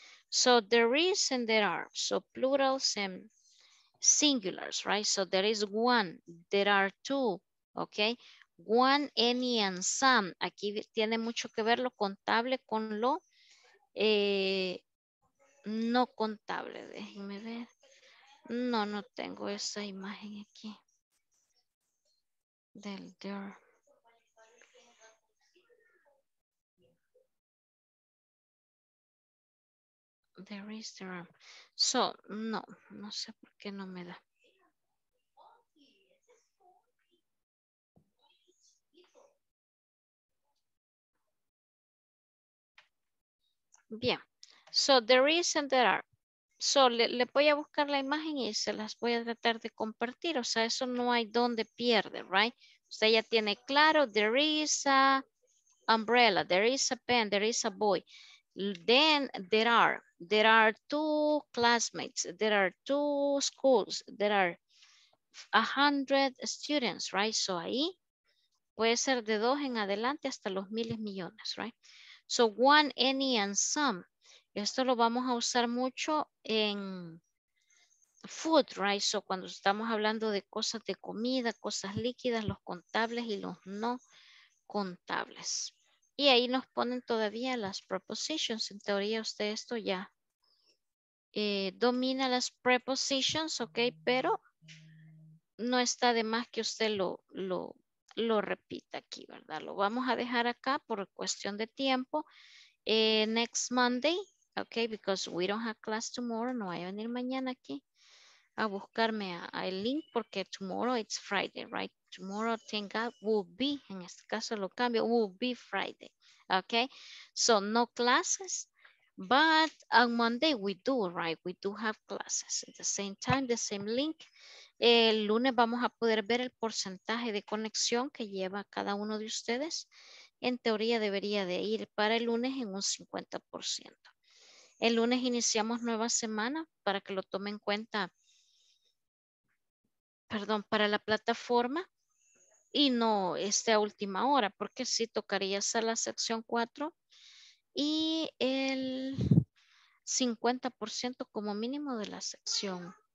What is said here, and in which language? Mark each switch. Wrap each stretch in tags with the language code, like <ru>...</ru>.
<en>So, there is and there are, so plurals and singulars, right? So, there is one, there are two, okay? One, any, and some.</en> <es>Aquí tiene mucho que ver lo contable con lo no contable. Déjenme ver. No, no tengo esa imagen aquí. Del there.</es> <en>There is there. Are.</en> <es>So, no, no sé por qué no me da. Bien,</es> <en>so there is and there are.</en> <es>So le voy a buscar la imagen y se las voy a tratar de compartir. O sea, eso no hay donde pierde, right? Usted ya tiene claro,</es> <en>there is a umbrella, there is a pen, there is a boy. Then there are two classmates, there are two schools, there are 100 students, right?</en> <es>So ahí puede ser de dos en adelante hasta los miles millones, right?</es> <en>So one, any, and some.</en> <es>Esto lo vamos a usar mucho en food, right? So cuando estamos hablando de cosas de comida, cosas líquidas, los contables y los no contables. Y ahí nos ponen todavía las prepositions. En teoría usted esto ya domina las prepositions, ok, pero no está de más que usted lo repita aquí, ¿verdad? Lo vamos a dejar acá por cuestión de tiempo.</es> <en>Next Monday, ok, because we don't have class tomorrow.</en> <es>No voy a venir mañana aquí a buscarme el link porque</es> <en>tomorrow it's Friday, right? Tomorrow, thank God, will be,</en> <es>en este caso lo cambio,</es> <en>will be Friday, ok? So, no classes, but on Monday we do, right? We do have classes at the same time, the same link.</en> <es>El lunes vamos a poder ver el porcentaje de conexión que lleva cada uno de ustedes. En teoría debería de ir para el lunes en un 50%. El lunes iniciamos nueva semana para que lo tomen en cuenta, perdón, para la plataforma y no esté a última hora, porque sí tocaría hacer la sección 4 y el 50% como mínimo de la sección.</es>